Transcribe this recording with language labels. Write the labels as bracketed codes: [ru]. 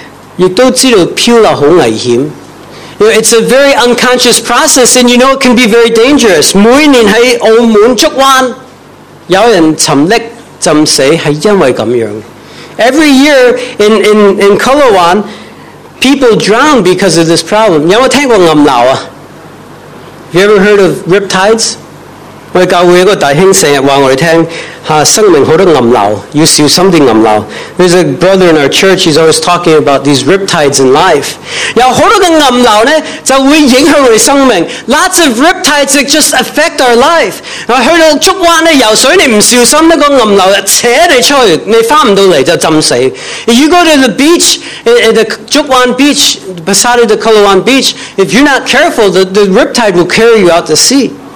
[zh] 是不知不觉，我们是，也都知道漂流很危险。 [en] You know, it's a very unconscious process, and you know it can be very dangerous. [zh] 每年在澳门竹湾，有人沉溺浸死，是因为这样。 [en] Every year in Kulawan, people drown because of this problem. [zh] 有没有听过暗流啊？ [en] Have you ever heard of riptides? [zh] 我们教会一个弟兄经常说我们听，生命很多暗流，要小心点暗流。 [en] There's a brother in our church, he's always talking about these riptides in life. [zh] 有很多的暗流呢，就会影响我们生命。 [en] Lots of riptides that just affect our life. [zh] 去到竹湾游水你不小心，那个暗流扯你出去，你回不来就浸死。 [en] If you go to the beach, the Jukwan beach, beside the Kulawan beach, if you're not careful, the riptide will carry you out to sea.